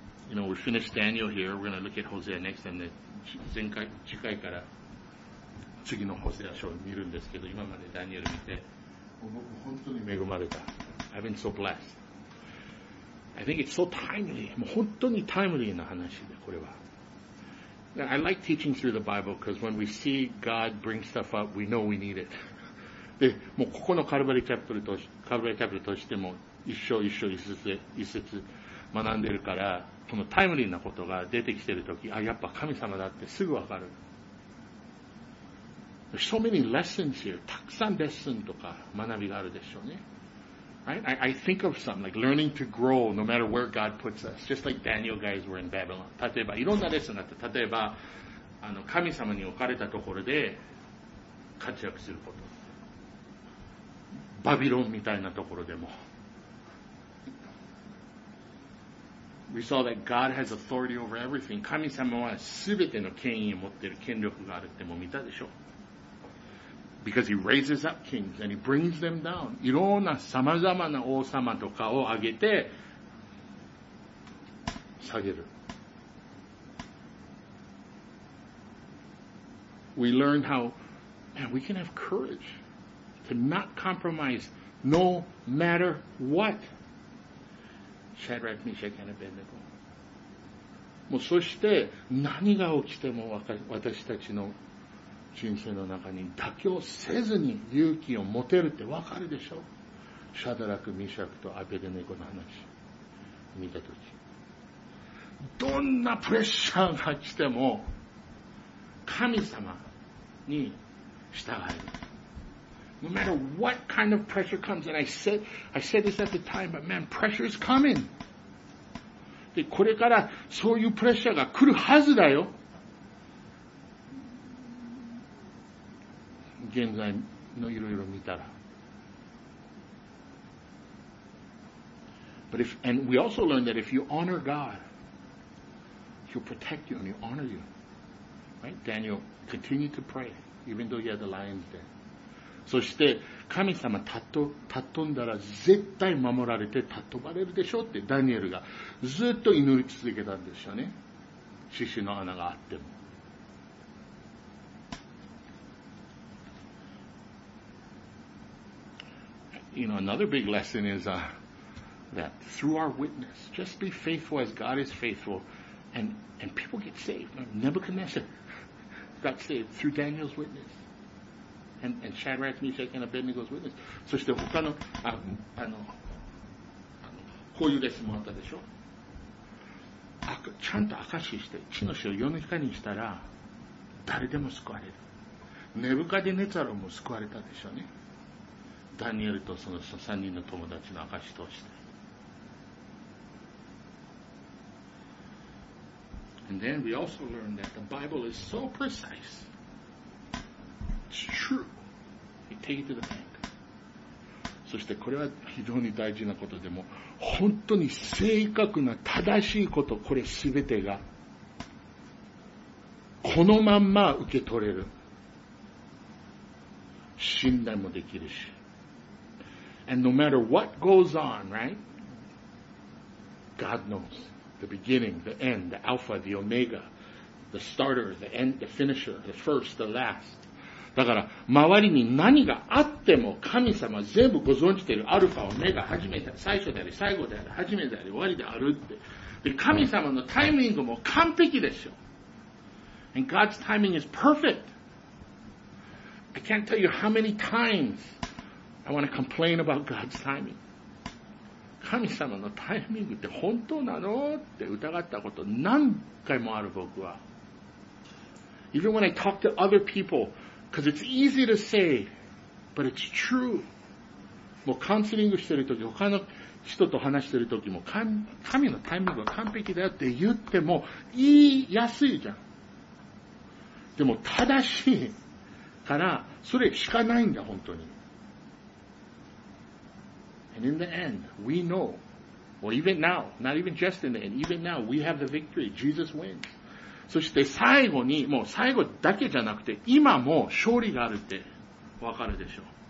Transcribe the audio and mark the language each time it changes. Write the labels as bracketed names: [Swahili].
[English] You know, we're finished Daniel here. We're going to look at Hosea next, and then [Japanese] 次回から次のホセア書を見るんですけど、今までダニエル見て僕本当に恵まれた。 [English] I've been so blessed. I think it's so timely. [Japanese] もう本当にタイムリーな話でこれは。 [English] Now, I like teaching through the Bible because when we see God bring stuff up, we know we need it. [Japanese] で、もうここのカルバリーチャプルとカルバリーチャプルとしても一章一章一節学んでるから、このタイムリーなことが出てきてるとき、あ、やっぱ神様だってすぐわかる。 [English] There's so many lessons here. [Japanese] たくさんレッスンとか学びがあるでしょうね。 [English] Right? I think of some, like learning to grow no matter where God puts us. Just like Daniel guys were in Babylon. [Japanese] 例えばいろんなレッスンがあって、例えば神様に置かれたところで活躍すること。バビロンみたいなところでも。 [English] We saw that God has authority over everything. [Japanese] 神様はすべての権威を持っている、権力があるっても見たでしょ。 [English] Because he raises up kings and he brings them down. [Japanese] いろんなさまざまな王様とかを上げて下げる。 [English] We learn how, man, we can have courage to not compromise no matter what. Shadrach, Meshach, and Abednego. [Japanese] もうそして何が起きても私たちの人生の中に妥協せずに勇気を持てるってわかるでしょ。シャドラク、ミシャクとアベデネコの話見たとき、どんなプレッシャーが来ても神様に従える。 [English] No matter what kind of pressure comes, and I said this at the time, but man, pressure is coming. [Japanese] で、これからそういうプレッシャーが来るはずだよ。現在のいろいろ見たら、 [English] But if, and we also learn that if you honor God, He'll protect you and He'll honor you, right? Daniel continued to pray even though he had the lions there. [Japanese] そして神様たとんだら絶対守られてたとばれるでしょうってダニエルがずっと祈り続けたんですよね。獅子の穴があっても。 [English] You know, another big lesson is that through our witness, just be faithful as God is faithful, and people get saved. Nebuchadnezzar got saved through Daniel's witness, and Shadrach, Meshach, and Abednego's witness. [Japanese] そして他のこういうレッスンもあったでしょ。ちゃんと証しして地の塩を世の光にしたら誰でも救われる。ネブカデネザルも救われたでしょうね。ダニエルとその3人の友達の証しとして。 [English] And then we also learned that the Bible is so precise. It's true. You take it to the bank. [Japanese] そしてこれは非常に大事なことでも、本当に正確な正しいこと、これ全てが、このまんま受け取れる。信頼もできるし。 [English] And no matter what goes on, right? God knows the beginning, the end, the Alpha, the Omega, the starter, the end, the finisher, the first, the last. [Japanese] だから周りに何があっても神様全部ご存知ている。アルファ、オメガ、始めたり最初であり最後であり、始めであり終わりであるって。で、神様のタイミングも完璧でしょ。 [English] And God's timing is perfect. I can't tell you how many times I want to complain about God's timing. [Japanese] 神様のタイミングって本当なのって疑ったこと何回もある僕は。 [English] Even when I talk to other people, because it's easy to say, but it's true. [Japanese] もうカウンセリングしてるとき、他の人と話してるときも、神のタイミングは完璧だよって言っても言いやすいじゃん。でも正しいから、それしかないんだ、本当に。 [English] And in the end, we know, or even now, not even just in the end, even now, we have the victory. Jesus wins. [Japanese] そして最後に、もう最後だけじゃなくて、今も勝利があるってわかるでしょう。